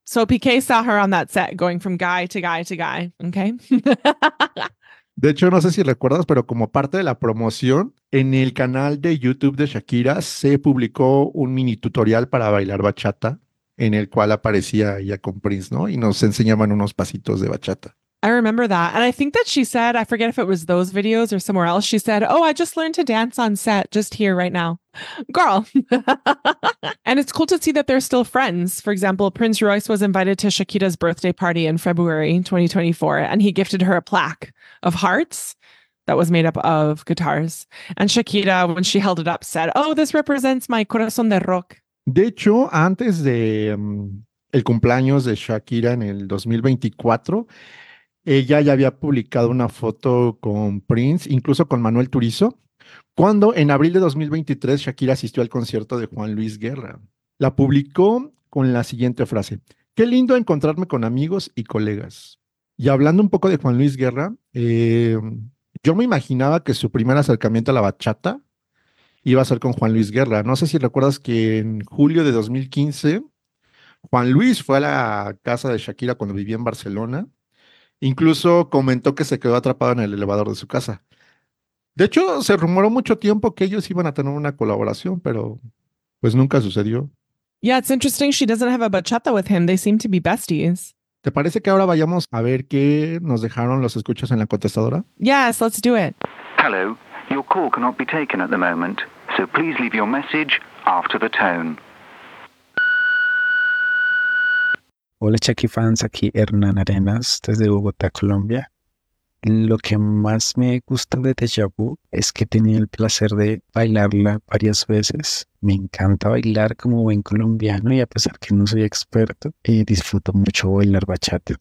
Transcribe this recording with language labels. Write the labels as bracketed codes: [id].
[en] So Piqué saw her on that set going from guy to guy to guy, okay? [es] De hecho, no sé si recuerdas, pero como parte de la promoción, en el canal de YouTube de Shakira se publicó un mini tutorial para bailar bachata en el cual aparecía ella con Prince, ¿no? Y nos enseñaban unos pasitos de bachata. [en] I remember that. And I think that she said, I forget if it was those videos or somewhere else, she said, oh, I just learned to dance on set just here right now. Girl. And it's cool to see that they're still friends. For example, Prince Royce was invited to Shakira's birthday party in February 2024, and he gifted her a plaque of hearts that was made up of guitars. And Shakira, when she held it up, said, oh, this represents my [es] corazón de rock. De hecho, antes de el cumpleaños de Shakira en el 2024, ella ya había publicado una foto con Prince, incluso con Manuel Turizo, cuando en abril de 2023 Shakira asistió al concierto de Juan Luis Guerra. La publicó con la siguiente frase: qué lindo encontrarme con amigos y colegas. Y hablando un poco de Juan Luis Guerra, yo me imaginaba que su primer acercamiento a la bachata iba a ser con Juan Luis Guerra. No sé si recuerdas que en julio de 2015, Juan Luis fue a la casa de Shakira cuando vivía en Barcelona. Incluso comentó que se quedó atrapado en el elevador de su casa. De hecho, se rumoró mucho tiempo que ellos iban a tener una colaboración, pero pues nunca sucedió. [en] Yeah, it's interesting she doesn't have a bachata with him. They seem to be besties. [es] ¿Te parece que ahora vayamos a ver qué nos dejaron los escuchas en la contestadora? [en] Yes, let's do it. Hello, your call cannot be taken at the moment, so please leave your message after the tone. [es] Hola Shakira fans, aquí Hernán Arenas desde Bogotá, Colombia. Lo que más me gusta de Deja Vu es que tenía el placer de bailarla varias veces. Me encanta bailar como buen colombiano y a pesar que no soy experto, disfruto mucho bailar bachata.